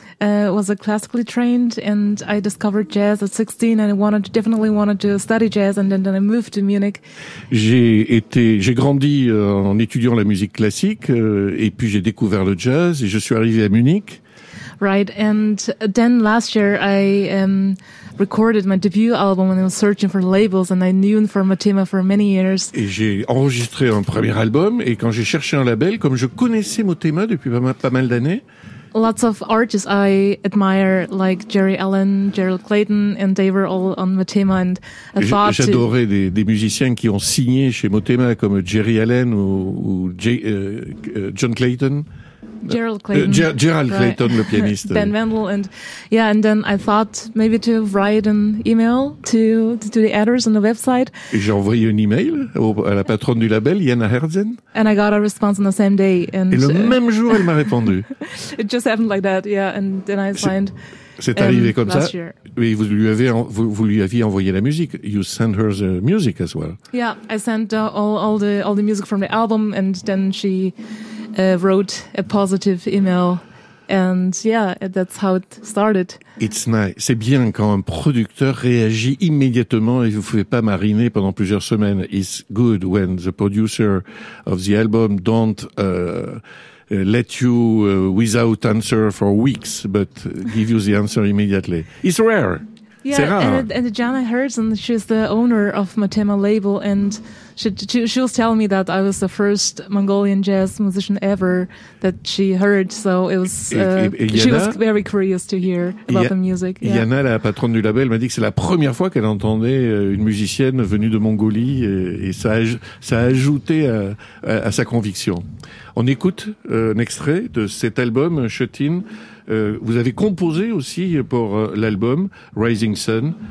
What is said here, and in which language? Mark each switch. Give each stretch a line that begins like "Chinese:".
English: Was a classically trained, and I discovered jazz at 16, and I definitely wanted to study jazz, and then I moved to Munich.
French: J'ai grandi en étudiant la musique classique, et puis j'ai découvert le jazz, et je suis arrivé à Munich.
English: Right, and then last year I recorded my debut album, and I was searching for labels, and I knew for Motema for many years.
French: Et j'ai enregistré un premier album, et quand j'ai cherché un label, comme je connaissais Motema depuis pas mal d'années.
English: Lots of artists I admire, like Jerry Allen, Gerald Clayton, and they were all on Motema. And
French: j'adorais des musiciens qui ont signé chez Motema, comme Jerry Allen ou John Clayton.
English: Gerald Clayton. Gerald Clayton, the pianist. Ben Wendell. And yeah, and then I thought maybe to write an email to the editors on the website.
French: Et j'ai envoyé un email à la patronne du label, Jana Herzen.
English: And I got a response on the same day. And
French: et le même jour, elle m'a répondu.
English: It just happened like that, yeah. And then I signed.
French: C'est arrivé comme ça. Oui, vous lui aviez envoyé la musique.
English: You sent her the music as well. Yeah, I sent all the music from the album, and then she wrote a positive email, and yeah, that's how it started. It's nice.
French: C'est bien quand un producteur réagit immédiatement et vous ne pouvez pas mariner pendant plusieurs semaines.
English: It's good when the producer of the album don't let you without answer for weeks, but give you the answer immediately. It's rare. Yeah,
French: c'est rare.
English: And Jana Herzen, she's the owner of Matema label, and she was telling me that I was the first Mongolian jazz musician ever that she heard. So it was she was very curious to hear about the music.
French: Jana, la patronne du label, m'a dit que c'est la première fois qu'elle entendait une musicienne venue de Mongolie, et ça a ajouté à sa conviction. On écoute un extrait de cet album, Shut-In. Vous avez composé aussi pour l'album Rising Sun.